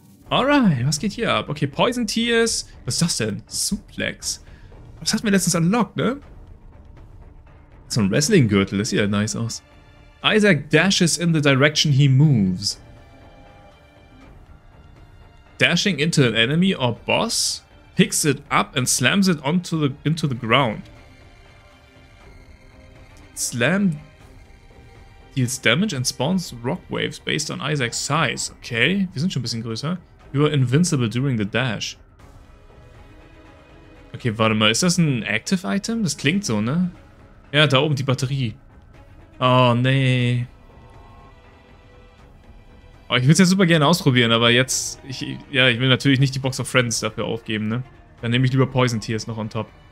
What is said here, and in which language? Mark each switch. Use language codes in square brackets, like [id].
[de] Alright, was geht hier ab? Okay, Poison Tears. Was ist das denn? Suplex. Was hatten wir letztens unlocked, ne? So ein Wrestling-Gürtel, das sieht ja nice aus. [en] Isaac dashes in the direction he moves. Dashing into an enemy or boss, picks it up and slams it onto the into the ground. Slam deals damage and spawns rock waves based on Isaac's size. [de] Okay, wir sind schon ein bisschen größer. [en] You are invincible during the dash. [de] Okay, warte mal, ist das ein Active Item? Das klingt so, ne? Ja, da oben die Batterie. Oh, nee. Oh, ich würde es ja super gerne ausprobieren, aber jetzt... Ich will natürlich nicht die Box of Friends dafür aufgeben, ne? Dann nehme ich lieber Poison Tears noch on top.